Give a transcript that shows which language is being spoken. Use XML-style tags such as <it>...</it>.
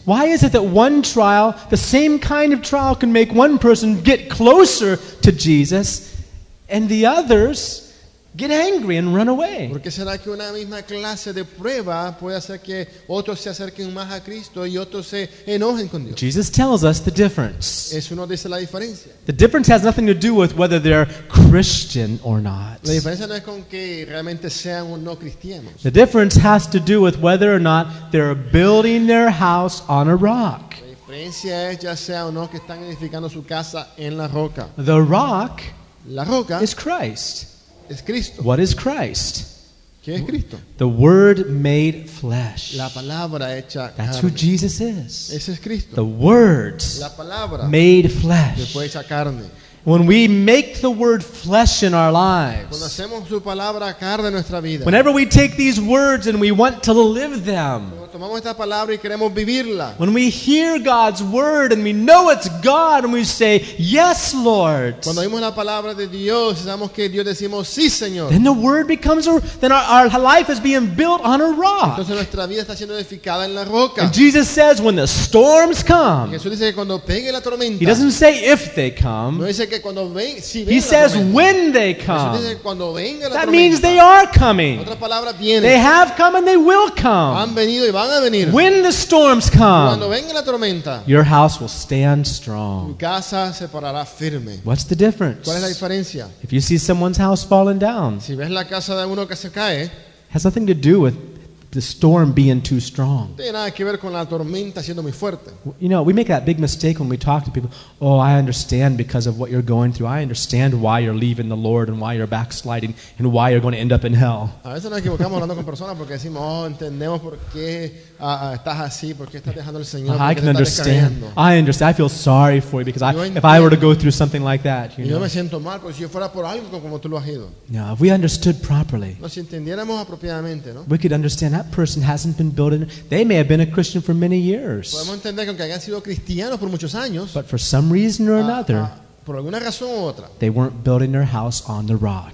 <en>Why is it that one trial, the same kind of trial, can make one person get closer to Jesus and the others get angry and run away?</en> <es>¿Por qué será que una misma clase de prueba puede hacer que otros se acerquen más a Cristo y otros se enojen con Dios?</es> <en>Jesus tells us the difference.</en> <es>Eso nos dice la diferencia.</es> <en>The difference has nothing to do with whether they're Christian or not.</en> <es>La diferencia no es con que realmente sean o no cristianos.</es> <en>The difference has to do with whether or not they're building their house on a rock.</en> <es>La diferencia es ya sea o no que están edificando su casa en la roca.</es> <en>The rock,</en> <es>la roca,</es> <en>is Christ.</en> <es>Es Cristo.</es> <en>What is Christ?</en> <es>¿Qué es Cristo?</es> <en>The Word made flesh.</en> <es>La palabra hecha carne.</es> <en>That's who Jesus is.</en> <es>Ese es Cristo.</es> <en>The Word,</en> <es>la palabra,</es> <en>made flesh.</en> <es>Que fue hecha carne.</es> <en>When we make the Word flesh in our lives,</en> <es>cuando hacemos su palabra carne en nuestra vida,</es> <en>whenever we take these words and we want to live them,</en> <es>cuando tomamos esta palabra y queremos vivirla,</es> <en>when we hear God's Word and we know it's God and we say, yes, Lord,</en> <es>cuando oímos la palabra de Dios y sabemos que Dios decimos, sí, Señor,</es> <en>then the Word becomes a, then our life is being built on a rock.</en> <es>Entonces nuestra vida está siendo edificada en la roca.</es> <en>And Jesus says, when the storms come,</en> <es>Jesús dice que cuando pegue la tormenta,</es> <en>He doesn't say if they come.</en> <es>No dice que cuando ven, si ven</es> <en>he says when they come.</en> <es>Eso dice cuando venga la</es> <en>that</en> <es>tormenta.</es> <en>Means they are coming.</en> <es>Otra palabra, vienen.</es> <en>They have come and they will come.</en> <es>Han venido y van a venir.</es> <en>When the storms come,</en> <es>cuando venga la tormenta,</es> <en>your house will stand strong.</en> <es>Tu casa se parará firme.</es> <en>What's the difference?</en> <es>¿Cuál es la diferencia?</es> <en>If you see someone's house falling down,</en> <es>si ves la casa de uno que se cae,</es> <en>has nothing to do with the storm being too strong.</en> <es>No tiene nada que ver con la tormenta siendo muy fuerte.</es> <en>You know, we make that big mistake when we talk to people. Oh, I understand because of what you're going through. I understand why you're leaving the Lord and why you're backsliding and why you're going to end up in hell.</en> <es>A veces nos equivocamos hablando con personas porque decimos, oh, entendemos por qué</es> <en>I can understand. I understand. I feel sorry for you because if I were to go through something like that, you know.</en> <es>Yo me siento mal, pero si yo fuera por algo como tú lo has ido.</es> <en>No, if we understood properly,</en> <es>no, si entendiéramos apropiadamente, no?</es> <en>We could understand that person hasn't been built in. They may have been a Christian for many years.</en> <es>Podemos entender que aunque hayan sido cristianos por muchos años,</es> <en>but for some reason or another,</en> <es>por alguna razón u otra,</es> <en>they weren't building their house on the rock.</en>